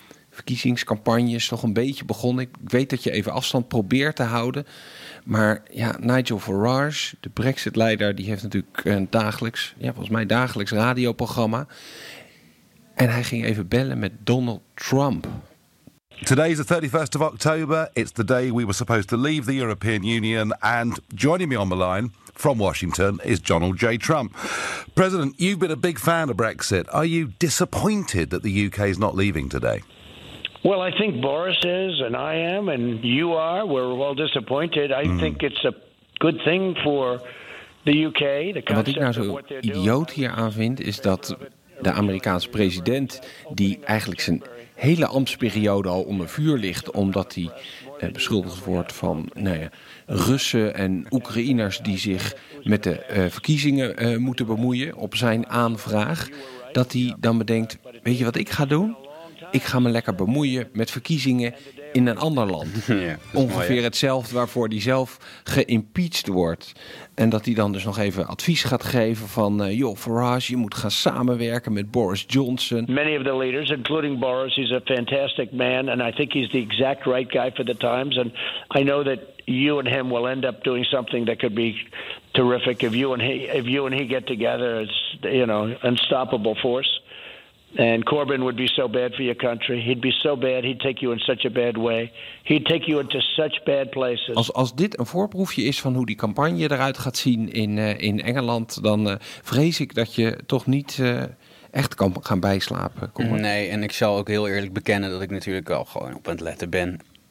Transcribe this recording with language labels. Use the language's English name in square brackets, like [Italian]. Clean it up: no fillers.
[Dutch] Verkiezingscampagne is toch een beetje begonnen. Ik weet dat je even afstand probeert te houden. Maar ja, Nigel Farage, de Brexit-leider, die heeft natuurlijk een dagelijks, ja, volgens mij dagelijks radioprogramma. En hij ging even bellen met Donald Trump. [English] Today is the 31st of October. It's the day we were supposed to leave the European Union. And joining me on the line from Washington is Donald J. Trump. President, you've been a big fan of Brexit. Are you disappointed that the UK is not leaving today? Well, I think Boris is, and I am, and you are. We're all disappointed. I think it's a good thing for the UK. [Dutch] Wat ik nou zo idioot hier aan vind, is dat de Amerikaanse president, die eigenlijk zijn hele ambtsperiode al onder vuur ligt, omdat hij beschuldigd wordt van Russen en Oekraïners die zich met de verkiezingen moeten bemoeien op zijn aanvraag, dat hij dan bedenkt, weet je wat ik ga doen? Ik ga me lekker bemoeien met verkiezingen in een ander land. Ja, ongeveer mooi, ja. Hetzelfde waarvoor hij zelf geïmpeached wordt. En dat hij dan dus nog even advies gaat geven van Farage, je moet gaan samenwerken met Boris Johnson. [English] Many of the leaders, including Boris, he's a fantastic man. And I think he's the exact right guy for the times. And I know that you and him will end up doing something that could be terrific. If you and he get together, it's unstoppable force. And Corbyn would be so bad for your country. He'd be so bad. He'd take you in such a bad way. He'd take you into such bad places. [Dutch] Als dit een voorproefje is van hoe die campagne eruit gaat zien in Engeland, dan vrees ik dat je toch niet echt kan gaan bijslapen. Nee, en ik zal ook heel eerlijk bekennen dat ik natuurlijk al gewoon op aan het letten ben.